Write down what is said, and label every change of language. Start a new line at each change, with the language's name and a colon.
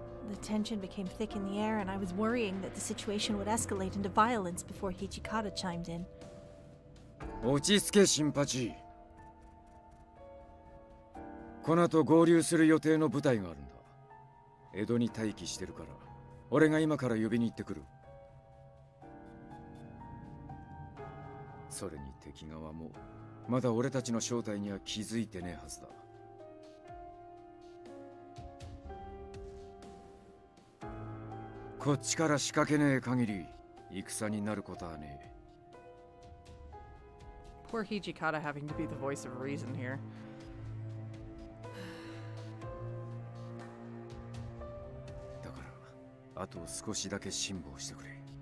English: The tension became thick in the air, and I was worrying that the situation would escalate into violence before Hijikata chimed in.
Japanese: 落ち着け、新八。この後合流する予定の部隊があるんだ。江戸に待機してるから、俺が今から呼びに行ってくる。それに敵側もまだ俺たちの正体には気づいてねえはずだ。こっちから仕掛けねえ限り戦になることはねえ。
English: Poor Hijikata having to be the voice of reason here.
Japanese: だからあと少しだけ辛抱してくれ。